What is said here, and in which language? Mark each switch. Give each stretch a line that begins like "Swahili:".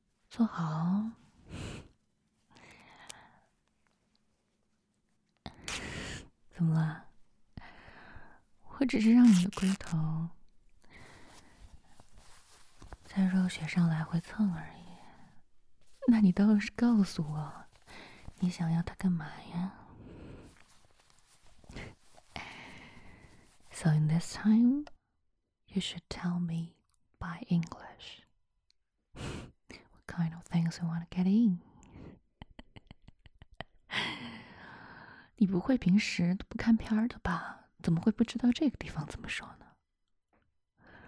Chinese: 坐好，怎么了？我只是让你的龟头在肉雪上来回蹭而已。那你倒是告诉我，你想要它干嘛呀？
English: So in this time, you should tell me. By English, what kind of things you want to get in?
Chinese: 你不会平时都不看片儿的吧？怎么会不知道这个地方怎么说呢？